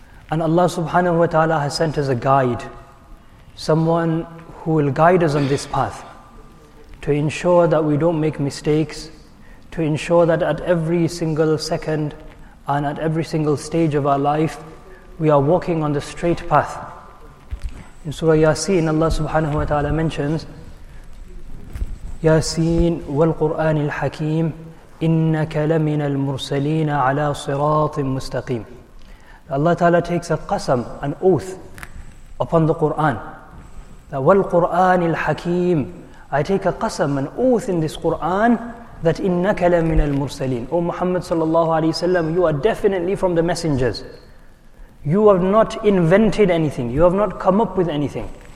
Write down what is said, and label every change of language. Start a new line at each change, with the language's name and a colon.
English: And Allah subhanahu wa ta'ala has sent us a guide, someone who will guide us on this path, to ensure that we don't make mistakes, to ensure that at every single second and at every single stage of our life, we are walking on the straight path. In Surah Yasin, Allah subhanahu wa ta'ala mentions,
Arabic: ياسين والقرآن الحكيم إنك لمن المرسلين على صراط مستقيم.
English: Allah Ta'ala takes a qasam, an oath upon the Quran.
Arabic: والقرآن الحكيم,
English: I take a qasam, an oath in this Quran, that
Arabic: إنك لمن المرسلين.
English: O Muhammad sallallahu alayhi wa sallam, you are definitely from the messengers. You have not invented anything. You have not come up with anything.